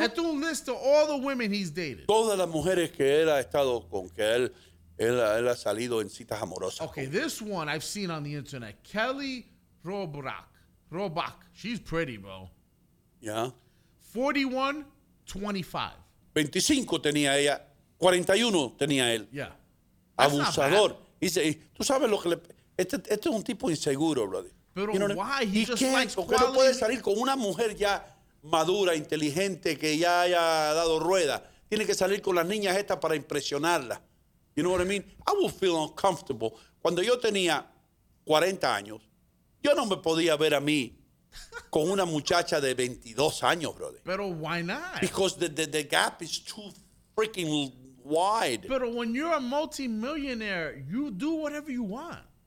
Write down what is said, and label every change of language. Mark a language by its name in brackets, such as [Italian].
[English] Este un list of all the women he's dated. [Spanish] Todas las mujeres que él ha estado con, que él ha salido en citas amorosas. [English] Okay, this one I've seen on the internet. Kelly Robach. She's pretty, bro. Yeah. 41, 25. [Spanish] 25 tenía ella. 41 tenía él. [English] Yeah. [Spanish] Abusador. Dice, tú sabes lo que le... Este es un tipo inseguro, brother. [English] Pero you know why? He just likes quality. [Spanish] ¿Por qué no puede salir con una mujer ya madura, inteligente, que ya haya dado rueda? Tiene que salir con las niñas estas para impresionarlas. [English] You know what I mean? I would feel uncomfortable. [Spanish] Cuando yo tenía 40 años, yo no me podía ver a mí con una muchacha de 22 años, brother. [English] Pero why not? Because the gap is too freaking wide. Pero when you're a multimillionaire, you do whatever you want.